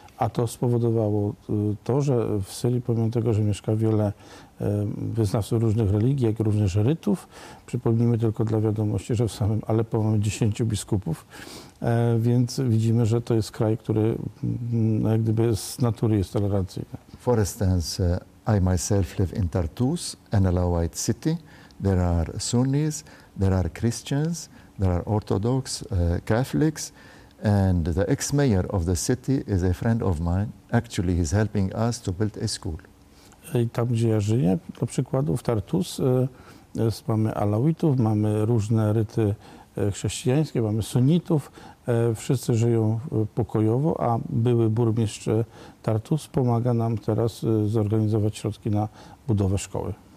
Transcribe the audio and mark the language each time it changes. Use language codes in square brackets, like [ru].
[pl] A to spowodowało to, że w Syrii, pomimo tego, że mieszka wiele wyznawców różnych religii, jak również rytów, przypomnijmy tylko dla wiadomości, że w samym Aleppo mamy 10 biskupów, więc widzimy, że to jest kraj, który jak gdyby z natury jest tolerancyjny. [en] For instance, I myself live in Tartus, an Alawite city. There are Sunnis, there are Christians, there are Orthodox, Catholics. And the ex-mayor of the city is a friend of mine. Actually, he's helping us to build a school. [pl] I tam, gdzie ja żyję, do przykładu w Tartus, mamy Alawitów, mamy różne ryty chrześcijańskie, mamy sunnitów. Wszyscy żyją pokojowo, a były burmistrz Tartus pomaga nam teraz zorganizować środki na budowę szkoły.